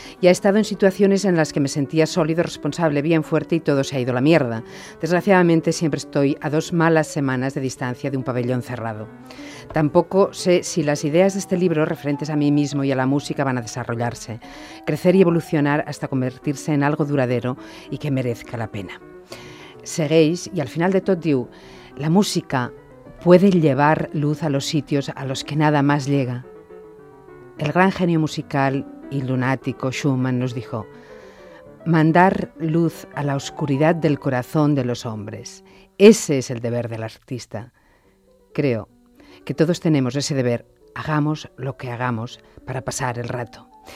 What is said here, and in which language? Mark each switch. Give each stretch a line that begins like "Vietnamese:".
Spanish: Ya he estado en situaciones en las que me sentía sólido, responsable, bien fuerte y todo se ha ido a la mierda. Desgraciadamente siempre estoy a dos malas semanas de distancia de un pabellón cerrado. Tampoco sé si las ideas de este libro referentes a mí mismo y a la música van a desarrollarse, crecer y evolucionar hasta convertirse en algo duradero y que merezca la pena.
Catalan: Segueix y al final de tot diu, la música...
Spanish: puede llevar luz a los sitios a los que nada más llega. El gran genio musical y lunático Schumann nos dijo, mandar luz a la oscuridad del corazón de los hombres. Ese es el deber del artista. Creo que todos tenemos ese deber, hagamos lo que hagamos, para pasar el rato.